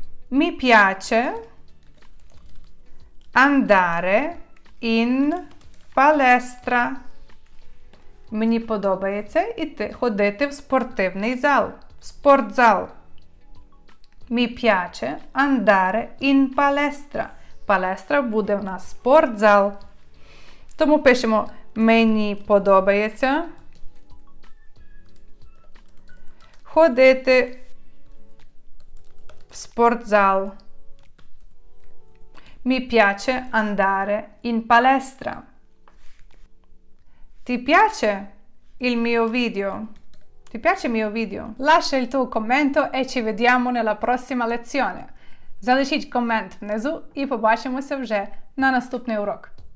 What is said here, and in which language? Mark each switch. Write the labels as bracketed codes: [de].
[it] Mi piace andare in palestra. [uk] Мені подобається іти ходити в спортивний зал, в спортзал. [it] Mi piace andare in palestra. [uk] Palestra буде в нас спортзал. Тому пишемо: мені подобається ходити в спортзал. [it] Mi piace andare in palestra. Ti piace il mio video? Ti piace il mio video? Lascia il tuo commento e ci vediamo nella prossima lezione. [uk] Залишіть коментар внизу і побачимося вже на наступний урок.